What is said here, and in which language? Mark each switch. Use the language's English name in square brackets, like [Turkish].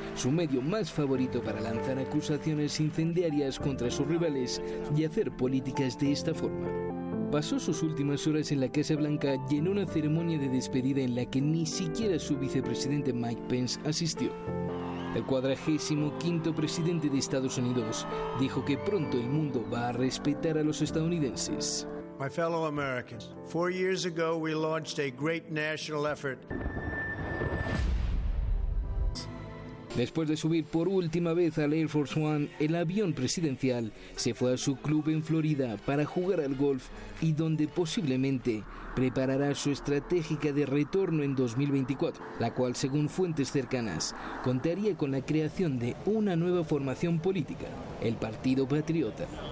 [Spanish] Su medio más favorito para lanzar acusaciones incendiarias contra sus rivales y hacer políticas de esta forma. Pasó sus últimas horas en la Casa Blanca y en una ceremonia de despedida en la que ni siquiera su vicepresidente Mike Pence asistió. El 45º presidente de Estados Unidos dijo que pronto el mundo va a respetar a los estadounidenses. [English] My fellow Americans, 4 years ago we launched a great national effort. [Spanish] Después de subir por última vez al Air Force One, el avión presidencial se fue a su club en Florida para jugar al golf y donde posiblemente preparará su estratégica de retorno en 2024, la cual, según fuentes cercanas, contaría con la creación de una nueva formación política, el Partido Patriota.